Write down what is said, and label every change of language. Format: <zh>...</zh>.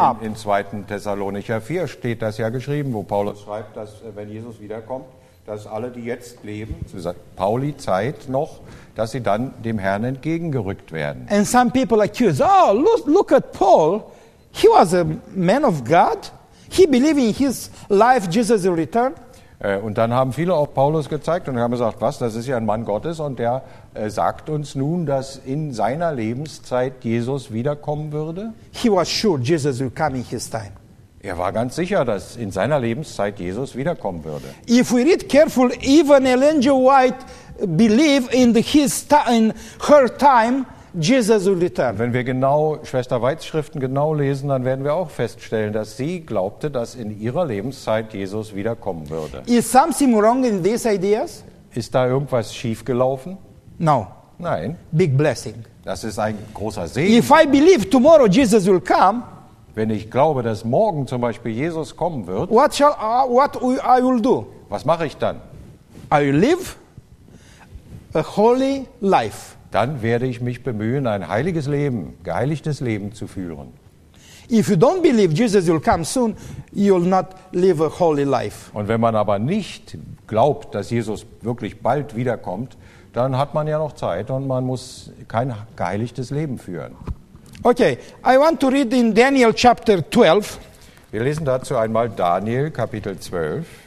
<de>In 2. Thessalonicher 4 steht das ja geschrieben, wo Paulus schreibt, dass wenn Jesus wiederkommt, dass alle, die jetzt leben, zu Pauli Zeit noch, dass sie dann dem Herrn entgegengerückt werden.</de> <en>And some people accuse, oh, look at Paul. He was a man of God. He believed in his life Jesus will return.</en> <de>Und dann haben viele auch Paulus gezeigt und haben gesagt, was, das ist ja ein Mann Gottes und der sagt uns nun, dass in seiner Lebenszeit Jesus wiederkommen würde.</de> <en>He was sure Jesus will come in his time.</en> <de>Er war ganz sicher, dass in seiner Lebenszeit Jesus wiederkommen würde.</de> <en>If we read careful, even Ellen G. White believed in her time Jesus will return.</en> <de>Wenn wir genau Schwester Weitz Schriften genau lesen, dann werden wir auch feststellen, dass sie glaubte, dass in ihrer Lebenszeit Jesus wiederkommen würde.</de> <en>Is something wrong in these ideas?</en> <de>Ist da irgendwas schiefgelaufen?</de> <en>No.</en> <de>Nein.</de> <en>Big blessing.</en> <de>Das ist ein großer Segen.</de> <en>If I believe tomorrow Jesus will come,</en> <de>wenn ich glaube, dass morgen zum Beispiel Jesus kommen wird,</de> <en>what I will do?</en> <de>Was mache ich dann?</de> <en>I will live a holy life.</en> <de>Dann werde ich mich bemühen, ein heiliges Leben, geheiligtes Leben zu führen.</de> <en>If you don't believe Jesus will come soon, you'll not live a holy life.</en> <de>Und wenn man aber nicht glaubt, dass Jesus wirklich bald wiederkommt, dann hat man ja noch Zeit und man muss kein geheiligtes Leben führen.</de> <en>Okay, I want to read in Daniel chapter 12.</en> <de>Wir lesen dazu einmal Daniel Kapitel 12.</de>